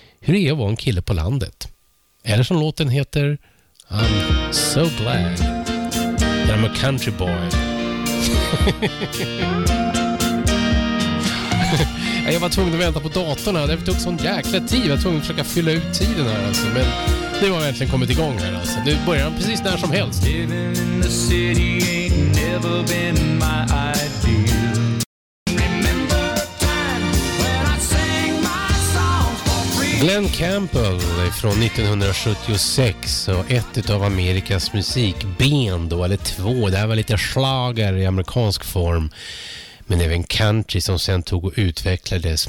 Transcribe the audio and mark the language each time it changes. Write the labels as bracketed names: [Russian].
[Swedish] Hur är det att vara en kille på landet? Eller som låten heter, [English] I'm so glad that I'm a country boy. [Swedish] Jag var tvungen att vänta på datorn här. Det tog sån jäkla tid. Jag var tvungen att försöka fylla ut tiden här. Alltså. Men nu har jag äntligen kommit igång här. Alltså. Nu börjar han precis när som helst. [English] Living in the city ain't never been my idea. [Swedish] Glen Campbell från 1976 och ett av Amerikas musikben då, eller två. Det här var lite schlager i amerikansk form, men även country som sen tog och utvecklades.